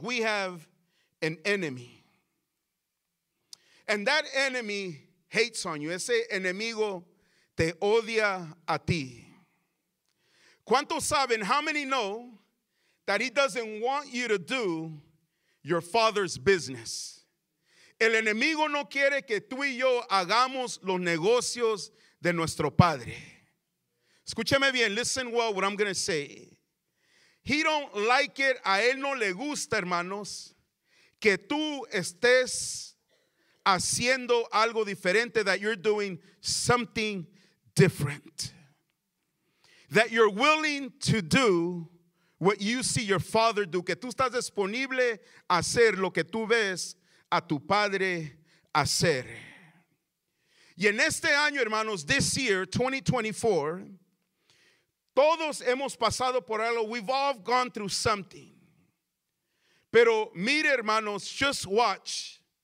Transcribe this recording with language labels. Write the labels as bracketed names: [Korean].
[English] We have an enemy. And that enemy hates on you. [Spanish] Ese enemigo te odia a ti. ¿Cuántos saben? [English] How many know that he doesn't want you to do your father's business? [Spanish] El enemigo no quiere que tú y yo hagamos los negocios de nuestro padre. Escúcheme bien. [English] Listen well what I'm going to say. He don't like it. [Spanish] A él no le gusta, hermanos, que tú estés haciendo algo diferente. [English] That you're doing something different. That you're willing to do what you see your father do. [Spanish] Que tú estás disponible a hacer lo que tú ves a tu padre hacer. Y en este año, hermanos, [English] this year, [Spanish] 2024, todos hemos pasado por algo. [English] We've all gone through something. [Spanish] Pero mire, hermanos, [English] just watch.